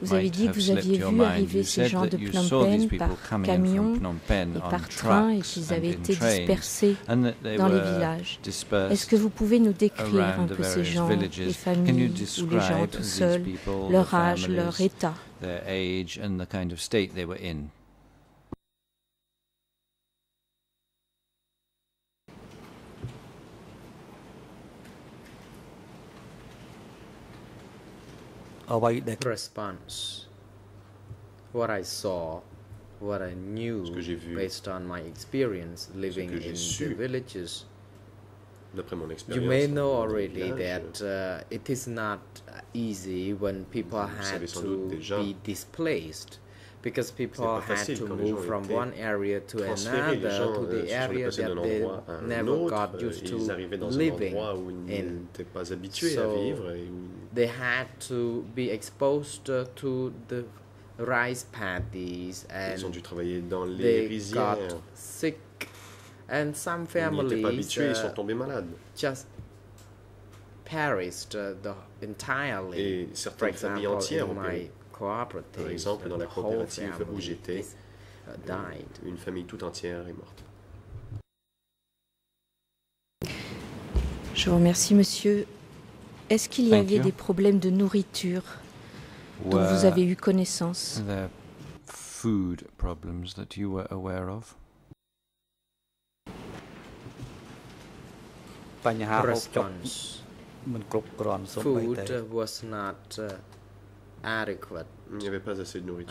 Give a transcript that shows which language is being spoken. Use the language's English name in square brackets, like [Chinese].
[French] Vous avez dit que vous aviez vu arriver ces gens de Phnom Penh par camion et par train et qu'ils avaient été dispersés dans les villages. Est-ce que vous pouvez nous décrire un peu ces gens, les familles ou les gens tout seuls, leur âge, leur état? [English] Their age and the kind of state they were in. Response. What I saw, what I knew based on my experience living in the villages, you may know already that it is not easy when people had to be displaced, because people had to move from one area to another, to the area that they never got used to living in. So they had to be exposed to the rice paddies, and they got sick, and some families just perished entirely, for example, in my [French] par exemple, dans la coopérative où j'étais, une famille toute entière est morte. Je vous remercie, monsieur. Est-ce qu'il y avait des problèmes de nourriture dont vous avez eu connaissance? [English] The food problems that you were aware of? Food was not adequate. [French] Il n'y avait pas assez de nourriture.